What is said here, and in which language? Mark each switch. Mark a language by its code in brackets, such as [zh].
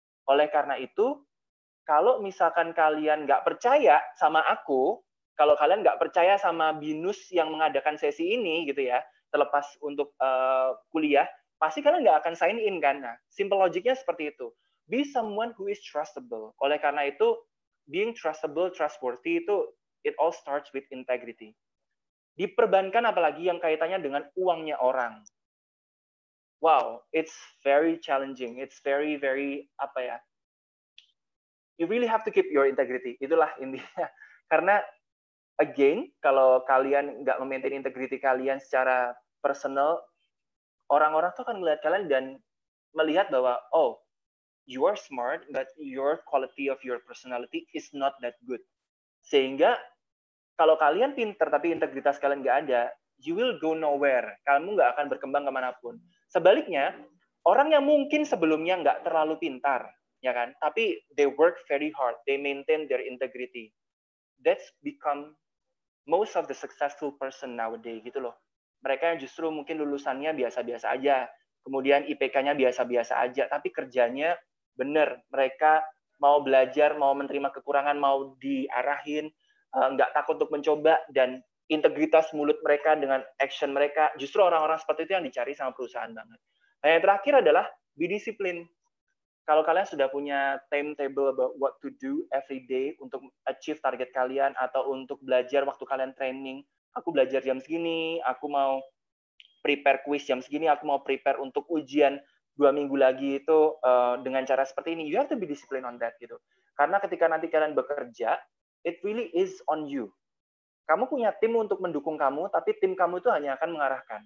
[id] Oleh karena itu, kalau misalkan kalian nggak percaya sama aku, kalau kalian nggak percaya sama Binus yang mengadakan sesi ini gitu ya, terlepas untuk kuliah, pasti kalian nggak akan sign in kan? Nah, simple logiknya seperti itu. [en] Be someone who is trustable. [id] Oleh karena itu, [en] being trustable, trustworthy itu, it all starts with integrity. [id] Di perbankan apalagi yang kaitannya dengan uangnya orang. [en] Wow, it's very challenging. It's very, very, [id] apa ya, [en] you really have to keep your integrity. [id] Itulah intinya. Karena again, kalau kalian nggak memaintain integrity kalian secara personal, orang-orang tuh akan melihat kalian dan melihat bahwa [en] oh, you are smart, but your quality of your personality is not that good. [id] Sehingga kalau kalian pintar tapi integritas kalian nggak ada, [en] you will go nowhere. [id] Kamu nggak akan berkembang kemanapun. Sebaliknya, orang yang mungkin sebelumnya nggak terlalu pintar, ya kan? Tapi [en] they work very hard. They maintain their integrity. That's become most of the successful person nowadays, [id] gitu loh. Mereka yang justru mungkin lulusannya biasa-biasa aja, kemudian IPK-nya biasa-biasa aja, tapi kerjanya benar. Mereka mau belajar, mau menerima kekurangan, mau diarahin, nggak takut untuk mencoba, dan integritas mulut mereka dengan action mereka, justru orang-orang seperti itu yang dicari sama perusahaan banget. Nah, yang terakhir adalah [en] be disciplined. [id] Kalau kalian sudah punya [en] timetable about what to do every day [id] untuk achieve target kalian atau untuk belajar waktu kalian training, aku belajar jam segini, aku mau prepare quiz jam segini, aku mau prepare untuk ujian 2 minggu lagi itu dengan cara seperti ini, [en] you have to be disciplined on that [id] gitu. Karena ketika nanti kalian bekerja, [en] it really is on you. [id] Kamu punya tim untuk mendukung kamu, tapi tim kamu itu hanya akan mengarahkan.